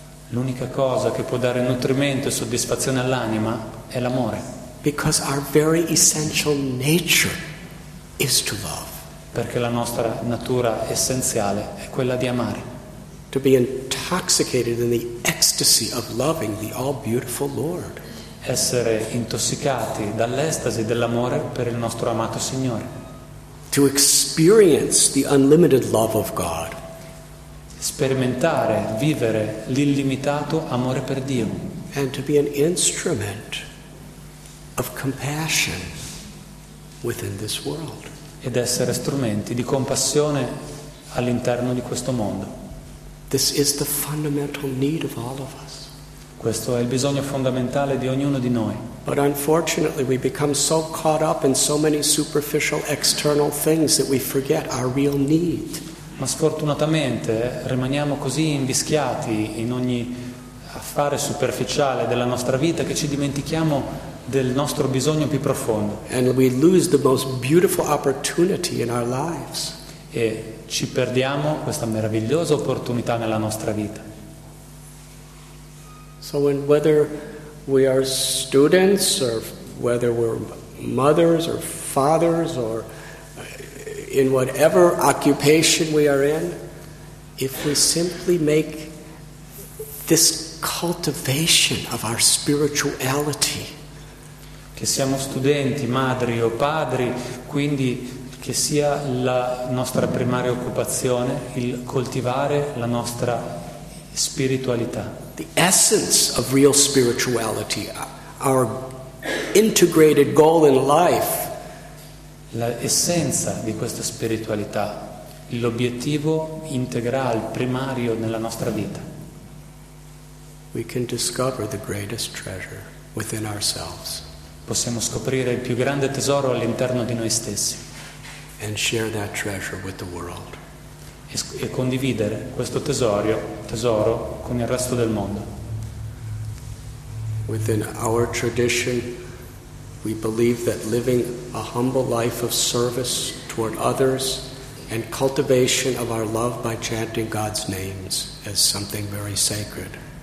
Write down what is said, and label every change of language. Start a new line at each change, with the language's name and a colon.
Italian: L'unica cosa che può dare nutrimento e soddisfazione all'anima è l'amore.
English: Because our very essential nature is to love.
Italian: Perché la nostra natura essenziale è quella di amare.
English: To be intoxicated in the ecstasy of loving the all-beautiful Lord.
Italian: Essere intossicati dall'estasi dell'amore per il nostro amato Signore.
English: To experience the unlimited love of God.
Italian: Sperimentare, vivere l'illimitato amore per Dio.
English: And to be an instrument of compassion within this world.
Italian: Ed essere strumenti di compassione all'interno di questo mondo.
English: This is the fundamental need of all of us.
Italian: Questo è il bisogno fondamentale di ognuno di noi.
English: But unfortunately we become so caught up in so many superficial external things that we forget our real need.
Italian: Ma sfortunatamente rimaniamo così invischiati in ogni affare superficiale della nostra vita che ci dimentichiamo del nostro bisogno più profondo.
English: And we lose the most beautiful opportunity in our lives.
Italian: e ci perdiamo questa meravigliosa opportunità nella nostra vita.
English: So when whether we are students or whether we're mothers or fathers or in whatever occupation we are in, if we simply make this cultivation of our spirituality,
Italian: che siamo studenti, madri o padri, quindi che sia la nostra primaria occupazione il coltivare la nostra spiritualità,
English: the essence of real spirituality, our integrated goal in life,
Italian: l'essenza di questa spiritualità, l'obiettivo integrale primario nella nostra vita.
English: We can discover the greatest treasure within ourselves.
Italian: Possiamo scoprire il più grande tesoro all'interno di noi stessi.
English: And share that treasure with the world.
Italian: E condividere questo tesoro con il resto del mondo.
English: Within our tradition, we believe that living a humble life of service toward others and cultivation of our love by chanting God's names is something very sacred.